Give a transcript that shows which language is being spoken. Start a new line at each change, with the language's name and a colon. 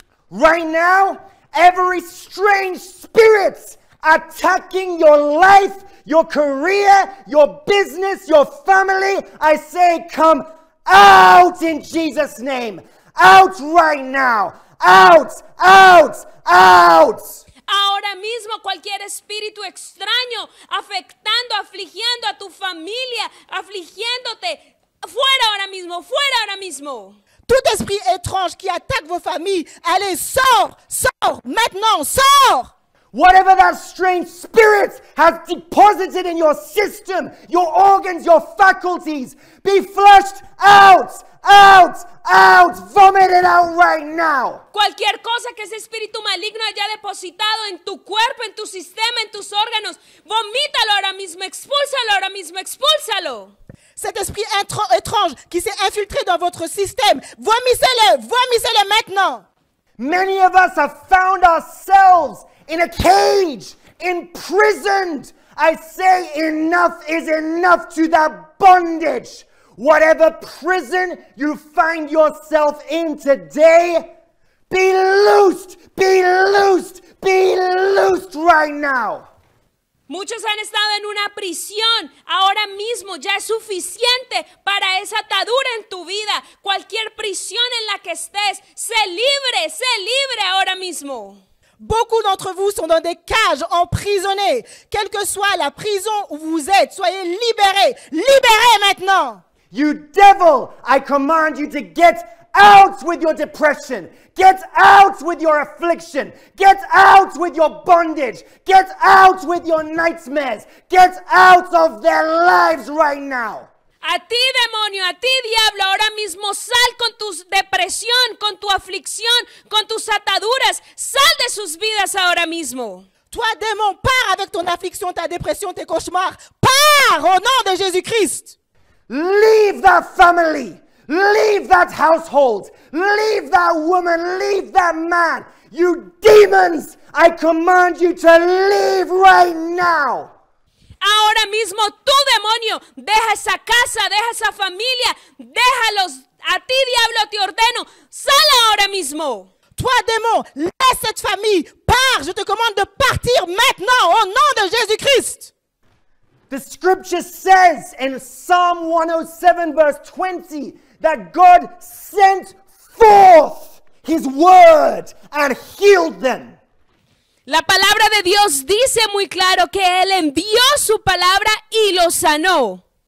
English: Right now, every strange spirit attacking your life, your career, your business, your family, I say come out in Jesus' name. Out right now. Out, out, out.
Spanish: Ahora mismo, cualquier espíritu extraño afectando, afligiendo a tu familia, afligiéndote, fuera ahora mismo, fuera ahora mismo.
French: Tout esprit étrange qui attaque vos familles, allez, sors, sors, maintenant, sors!
English: Whatever that strange spirit has deposited in your system, your organs, your faculties, be flushed out, out, out, vomit it out right now.
Spanish: Cualquier cosa que ese espíritu maligno haya depositado en tu cuerpo, en tu sistema, en tus órganos, vomítalo ahora mismo, expúlsalo ahora mismo, expúlsalo.
French: Cet esprit étrange qui s'est infiltré dans votre système, vomissez-le maintenant.
English: Many of us have found ourselves in a cage, imprisoned. I say enough is enough to that bondage. Whatever prison you find yourself in today, be loosed, be loosed, be loosed right now.
Spanish: Muchos han estado en una prisión. Ahora mismo ya es suficiente para esa atadura en tu vida. Cualquier prisión en la que estés, sé libre ahora mismo.
French: Beaucoup d'entre vous sont dans des cages, emprisonnés. Quelle que soit la prison où vous êtes, soyez libérés. Libérés maintenant!
English: You devil, I command you to get out with your depression. Get out with your affliction. Get out with your bondage. Get out with your nightmares. Get out of their lives right now.
Spanish: A ti, demonio, a ti, diablo, ahora mismo sal con tu depresión, con tu aflicción, con tus ataduras. Sal de sus vidas ahora mismo.
French: Toi, démon, pars avec ton affliction, ta dépression, tes cauchemars. Pars au nom de Jésus-Christ.
English: Leave that family. Leave that household. Leave that woman. Leave that man. You demons, I command you to leave right now.
Spanish: Ahora mismo, tú demonio, deja esa casa, deja esa familia, déjalos. A ti, diablo, te ordeno, sal ahora mismo.
French: Toi, démon, laisse cette famille, pars, je te commande de partir maintenant, au nom de Jésus-Christ.
English: The scripture says in Psalm 107, verse 20, that God sent forth his word and healed them.
Spanish: La palabra de Dios dice muy claro que Él envió su palabra y lo sanó.